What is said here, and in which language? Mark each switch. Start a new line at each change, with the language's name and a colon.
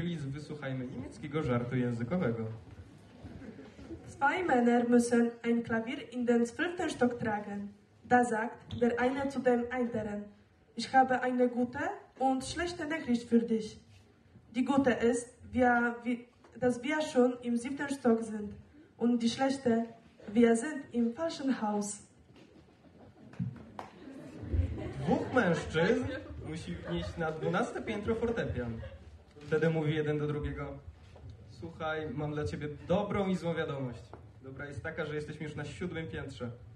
Polish: Wysłuchajmy niemieckiego żartu językowego.
German: Zwei Männer müssen ein Klavier in den fünften Stock tragen. Da sagt der eine zu dem anderen: Ich habe eine gute und schlechte Nachricht für dich. Die gute ist, dass wir schon im siebten Stock sind. Und die schlechte, wir sind im falschen Haus.
Polish: Dwóch mężczyzn musi wnieść na 12 piętro fortepian. Wtedy mówi jeden do drugiego: słuchaj, mam dla ciebie dobrą i złą wiadomość. Dobra jest taka, że jesteśmy już na 7 piętrze.